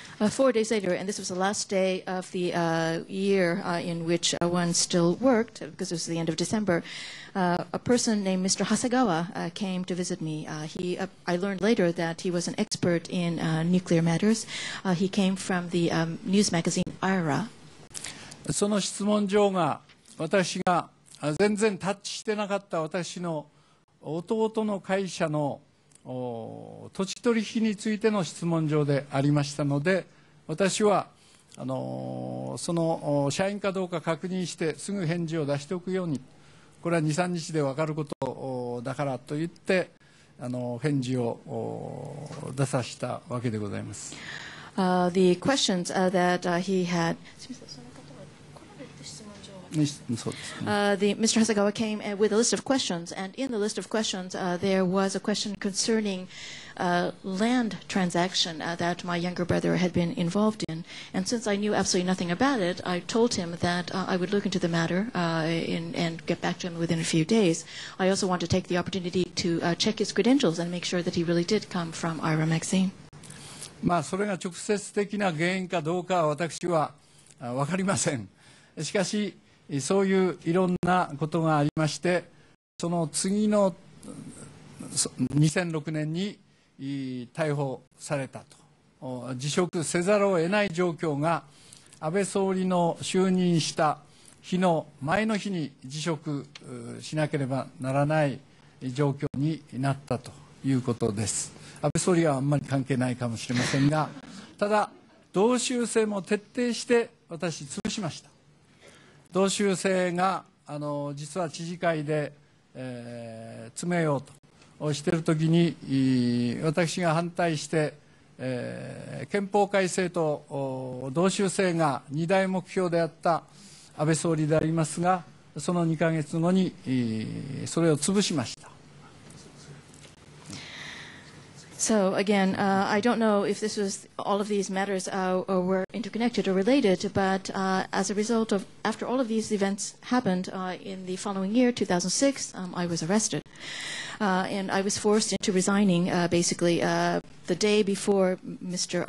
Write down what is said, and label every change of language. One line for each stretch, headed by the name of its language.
English: Four days later, and this was the last day of the year in which one still worked, because it was the end of December, a person named Mr. Hasegawa came to visit me. I learned later that he was an expert in nuclear matters. He came from the news magazine IRA.
Japanese: その質問状が私が全然タッチしてなかった私の弟の会社の土地取引についての質問状でありましたので私はその社員かどうか確認してすぐ返事を出しておくようにこれは 2,3 日で分かることだからと言って返事を出させたわけでございます。
English: The questions that he had Mr. Hasegawa came with a list of questions, and in the list of questions, there was a question concerning land transaction that my younger brother had been involved in. And since I knew absolutely nothing about it, I told him that I would look into the matter and get back to him within a few days. I also want to take the opportunity to check his credentials and make sure that he really did come from IRA magazine.
Japanese: まあ、それが直接的な原因かどうかは私は分かりません。しかし、そういういろんなことがありましてその次の2006年に逮捕されたと辞職せざるを得ない状況が安倍総理の就任した日の前の日に辞職しなければならない状況になったということです。安倍総理はあんまり関係ないかもしれませんがただ同州制も徹底して私潰しました。同州制が実は知事会で、詰めようとしているときに私が反対して、憲法改正と同州制が二大目標であった安倍総理でありますがその2ヶ月後にそれを潰しました。
English: So again, I don't know if this was all of these matters were interconnected or related, but as a result of after all of these events happened in the following year, 2006, I was arrested and I was forced into resigning basically the day before Mr.